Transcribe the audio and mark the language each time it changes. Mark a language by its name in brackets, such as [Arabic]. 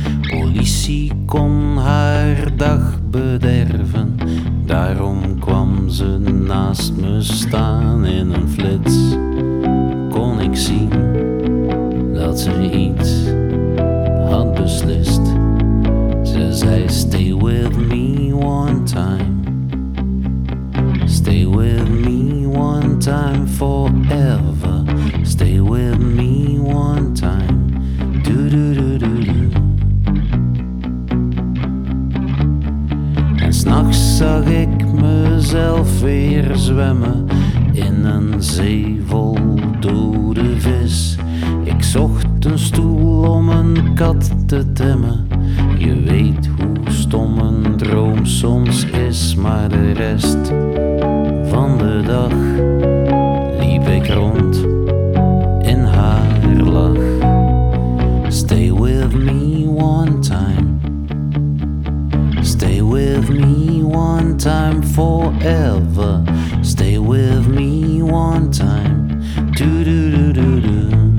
[Dutch] Politie kon haar dag bederven, daarom kwam ze naast me staan. In een flits kon ik zien dat ze iets had beslist. Ze zei: [English] stay with me one time, stay with me one time forever, stay with me one time, do do do do do. [Dutch] En 's nachts zag ik mezelf weer zwemmen in een zee vol dode vis. Ik zocht een stoel om een kat te temmen. Je weet hoe stom een droom soms is, maar de rest van de dag liep ik rond in haar lach. [English] Stay with me one time, stay with me one time forever, stay with me one time, do do do do do.